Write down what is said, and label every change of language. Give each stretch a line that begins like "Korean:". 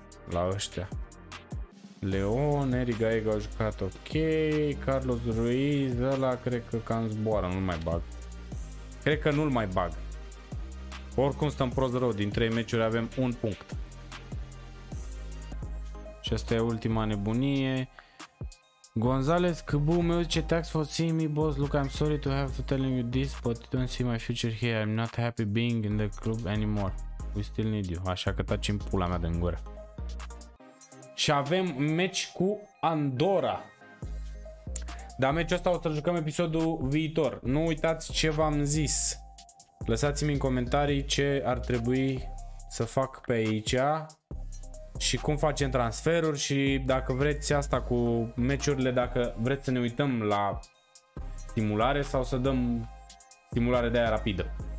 Romanian: La ăștia. Leon, Henry Gallego a jucat ok. Carlos Ruiz, ăla cred că cam zboară, nu-l mai bag. Cred că nu-l mai bag. Oricum stăm prost rău, din 3 meciuri avem un punct. Și asta e ultima nebunie.
English: Gonzalez, Cabu,
Romanian: meu zice,
English: thanks for seeing me boss, look, I'm sorry to have to tell you this, but you don't see my future here, I'm not happy being in the club anymore. We still need you,
Romanian: așa că taci în pula mea de-n gură. Și avem meci cu Andorra. Dar meciul ăsta o să jucăm episodul viitor. Nu uitați ce v-am zis. Lăsați-mi în comentarii ce ar trebui să fac pe aici și cum facem transferuri și dacă vreți asta cu meciurile, dacă vreți să ne uităm la simulare sau să dăm simulare de aia rapidă.